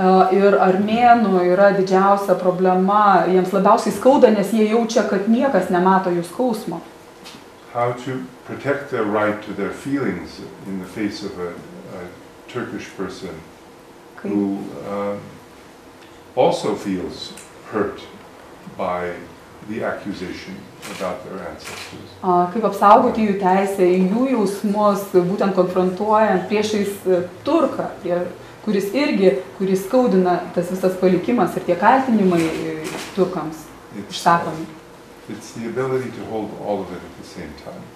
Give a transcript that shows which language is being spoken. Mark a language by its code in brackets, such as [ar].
[lt] Ir armėnų yra didžiausia problema, jiems labiausiai skauda, nes jie jaučia, kad niekas nemato jų skausmo. [en] How to protect their right to their feelings in the face of a Turkish person who also feels hurt by the accusation about their ancestors. [lt] Kaip apsaugoti jų teisę į jų jausmus, būtent konfrontuojant priešais turką, kuris skaudina tas visas palikimas ir tie kaltinimai turkams išsakomi. [en] It's the ability to hold all of it at the same time.